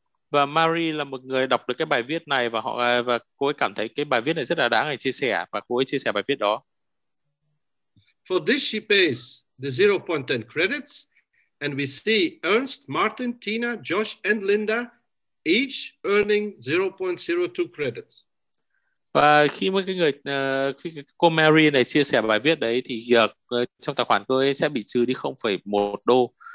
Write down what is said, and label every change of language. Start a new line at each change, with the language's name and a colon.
Vietnamese: Và Marie là một người đọc được cái bài viết này và họ và cô ấy cảm thấy cái bài viết này rất là đáng để chia sẻ và cô ấy chia sẻ bài viết đó.
English: For this she pays the 0.10 credits. And we see Ernst, Martin, Tina, Josh, and Linda each earning 0.02 credits.
Vietnamese: Và khi mà cái người khi cô Mary này chia sẻ bài viết đấy thì trong tài khoản cô ấy sẽ bị trừ đi 0.1 đô.